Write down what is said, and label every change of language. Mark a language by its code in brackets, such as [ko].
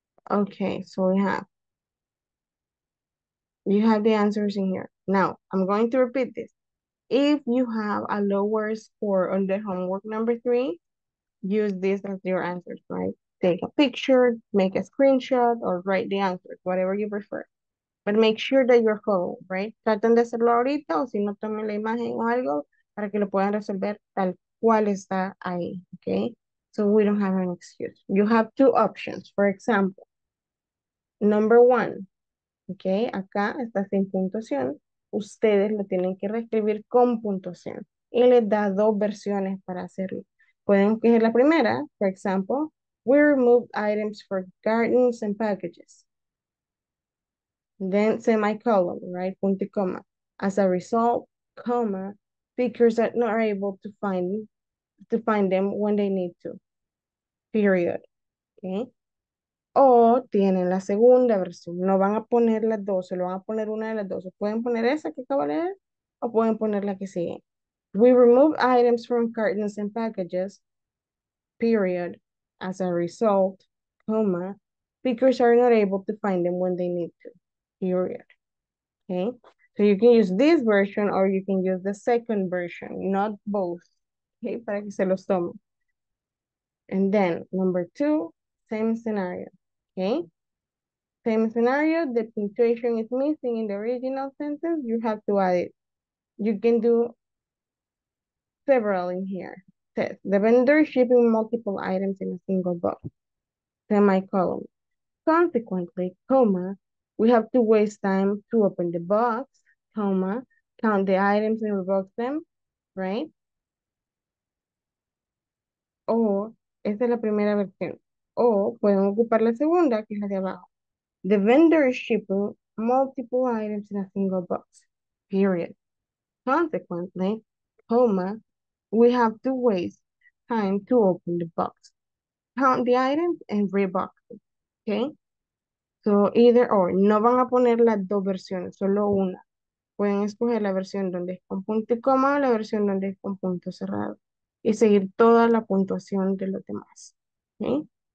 [en] Okay, so you have the answers in here. Now, I'm going to repeat this. If you have a lower score on the homework number three, use this as your answers, right? Take a picture, make a screenshot, or write the answers, whatever you prefer. But make sure that you're home, right? [es] Traten de hacerlo ahorita, o si no, tomen la imagen o algo para que lo puedan resolver tal cual está ahí, okay? [en] So we don't have an excuse. You have two options, for example. Number one, okay? [es] Acá está sin puntuación. Ustedes lo tienen que reescribir con puntuación. Y les da dos versiones para hacerlo. Pueden coger la primera, [en] for example, we removed items for cartons and packages. Then semicolon, right? [es] Punto y coma. [en] As a result, comma, speakers are not able to find them when they need to. Period. Okay? [es] O tienen la segunda versión. No van a poner las dos, solo van a poner una de las dos. O pueden poner esa que acabo de leer, o pueden poner la que sigue. [en] We remove items from cartons and packages, period. As a result, comma, speakers are not able to find them when they need to, period. Okay? So you can use this version or you can use the second version, not both. Okay? [es] Para que se los tomen. [en] And then, number two, same scenario. Okay? Same scenario, the punctuation is missing in the original sentence, you have to add it. You can do several in here. Says, the vendor is shipping multiple items in a single box. Semicolon. Consequently, comma, we have to waste time to open the box, comma, count the items and rebox them, right? [es] O, esta es la primera versión. O, pueden ocupar la segunda, que es la de abajo. [en] The vendor is shipping multiple items in a single box, period. Consequently, comma, we have to waste time to open the box, count the items, and rebox them, okay? So, either or, [es] no van a poner las dos versiones, solo una. Pueden escoger la versión donde es con punto y coma o la versión donde es con punto cerrado y seguir toda la puntuación de los demás, okay?